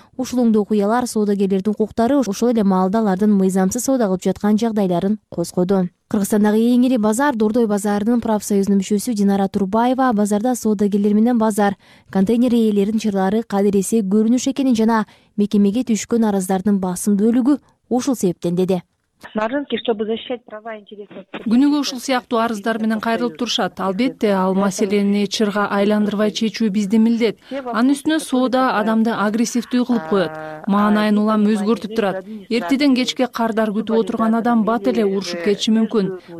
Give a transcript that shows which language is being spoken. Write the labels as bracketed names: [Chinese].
[Kyrgyz] Ушул оңдуу окуялар соодагерлердин укуктары, ошол эле маалда алардын мыйзамсыз соода кылып жаткан жагдайларын козгоду. Кыргызстандагы эң ири базар Дордой базарынын профсоюзунун мүчөсү Динара Турбаева базарда соодагерлер менен базар контейнер ээлеринин чырлары кадыресе көрүнүш экенин жана мекемеге түшкөн арыздардын басым бөлүгү ушул себептен деди. [Russian] На рынке, чтобы защищать права интересов. [Kyrgyz] Күнүгө ушул сыяктуу арыздар менен кайрылып турушат. Албетте, ал маселени чырга айландырбай чечүү бизди милдет. Анын үстүнө соода адамды агрессивдүү кылып коёт. Маанайын улам өзгөртүп турат. Эртеден кечке кардар күтүп отурган адам бат эле урушуп кетиши мүмкүн.